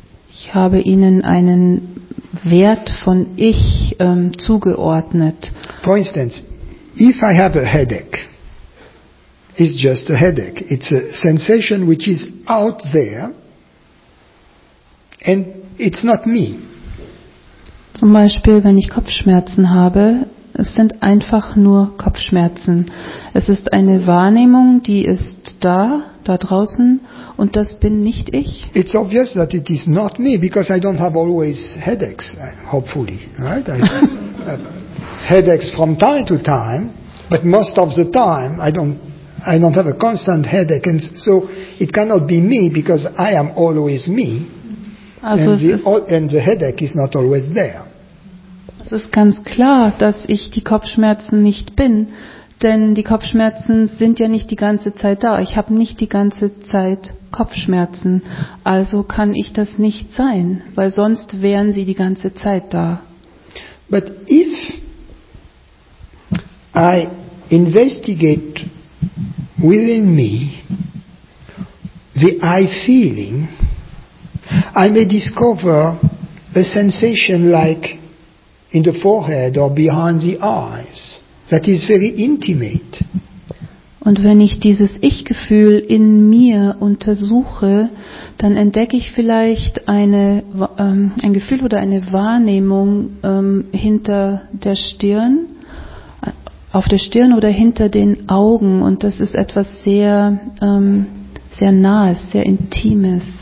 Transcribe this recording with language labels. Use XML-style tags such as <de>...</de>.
<de>Ich habe ihnen einen Wert von ich zugeordnet.</de> <en>For instance, if I have a headache, it's just a headache. It's a sensation which is out there and it's not me.</en> <de>Zum Beispiel, wenn ich Kopfschmerzen habe, es sind einfach nur Kopfschmerzen. Es ist eine Wahrnehmung, die ist da draußen, und das bin nicht ich.</de> <en>It's obvious that it is not me because I don't have always headaches, hopefully, right? I have headaches from time to time, but most of the time I don't have a constant headache, and so it cannot be me because I am always me, and the headache is not always there.</en> <de>Es ist ganz klar, dass ich die Kopfschmerzen nicht bin, denn die Kopfschmerzen sind ja nicht die ganze Zeit da. Ich habe nicht die ganze Zeit Kopfschmerzen, also kann ich das nicht sein, weil sonst wären sie die ganze Zeit da.</de> <en>But if I investigate within me the I feeling, I may discover a sensation like in the forehead or behind the eyes that is very intimate.</en> <de>Und wenn ich dieses Ich-Gefühl in mir untersuche, dann entdecke ich vielleicht ein Gefühl oder eine Wahrnehmung hinter der Stirn, auf der Stirn oder hinter den Augen, und das ist etwas sehr sehr Nahes, sehr Intimes.</de>